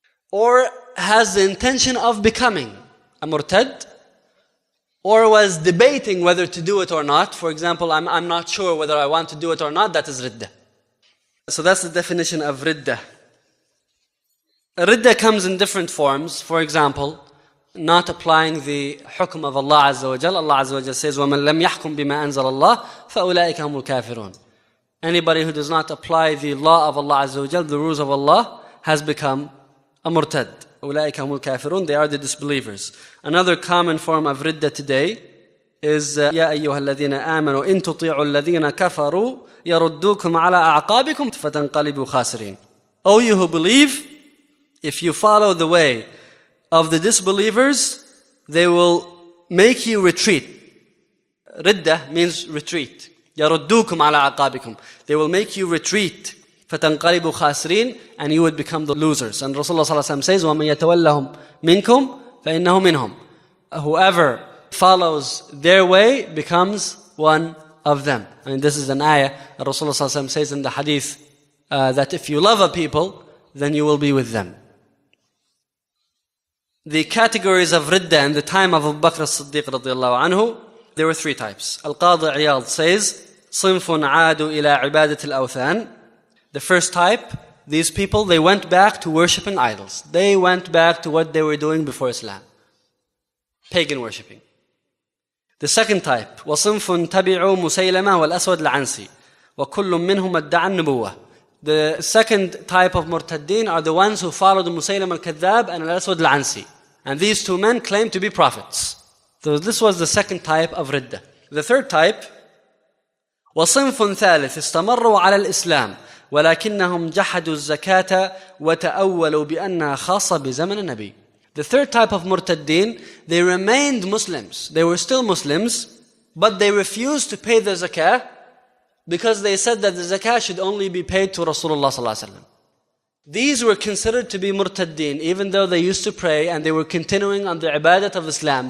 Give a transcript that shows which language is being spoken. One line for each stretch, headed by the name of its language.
English: Or has the intention of becoming a murtad, or was debating whether to do it or not. For example, I'm not sure whether I want to do it or not, that is ridda. So that's the definition of ridda. Ridda comes in different forms. For example, not applying the hukm of Allah Azza wa Jalla. Allah Azza wa Jalla says,
Arabic: وَمَنْ لَمْ يَحْكُمْ بِمَا أَنْزَلَ اللَّهِ فَأُولَٰئِكَ هُمُ الْكَافِرُونَ.
English: Anybody who does not apply the law of Allah Azza wa Jalla, the rules of Allah, has become a murtad.
Arabic: أُولَٰئِكَ هُمُ الْكَافِرُونَ.
English: They are the disbelievers. Another common form of ridda today is
Arabic: يَا أَيُّهَا الَّذِينَ آمَنُوا إِن تُطِيعُوا الَّذِينَ كَفَرُوا يَرُدُّوكُمْ عَلَىٰ أَعْقَابِكُمْ فَتَنْقَلِبُوا خَاسِرِينَ.
English: Oh, you who believe, if you follow the way of the disbelievers, they will make you retreat. Ridda means retreat.
Arabic: يَرُدُّوكُمْ عَلَىٰ عَقَابِكُمْ.
English: They will make you retreat.
Arabic: فَتَنْقَلِبُوا خَاسِرِينَ,
English: and you would become the losers. And Rasulullah
Arabic: صلى الله عليه وسلم says, وَمَنْ يَتَوَلَّهُمْ مِنْكُمْ فَإِنَّهُ مِنْهُمْ.
English: Whoever follows their way becomes one of them. I mean, this is an ayah that Rasulullah صلى الله عليه وسلم says in the hadith that if you love a people, then you will be with them. The categories of ridda in the time of Abu Bakr as-Siddiq radiyallahu anhu, there were three types. Al-Qadi Iyad says,
Arabic: صِنْفٌ عَادُوا إِلَىٰ عِبَادَةِ الْأَوْثَانِ.
English: The first type, these people, they went back to worshipping idols. They went back to what they were doing before Islam. Pagan worshipping. The second type,
Arabic: وصنف تبع مسيلمة والأسود العنسي وكل منهم ادعى النبوة.
English: The second type of مرتدين are the ones who followed مسيلمة الكذاب and الأسود العنسي. And these two men claim to be prophets. So this was the second type of ridda. The third type,
Arabic: وصنف ثالث استمروا على الإسلام ولكنهم جحدوا الزكاة وتأولوا بأنها خاصة بزمن النبي.
English: The third type of murtaddin, they remained Muslims. They were still Muslims, but they refused to pay the zakah because they said that the zakah should only be paid to Rasulullah sallallahu alaihi wasallam. These were considered to be murtaddin, even though they used to pray and they were continuing on the ibadat of Islam.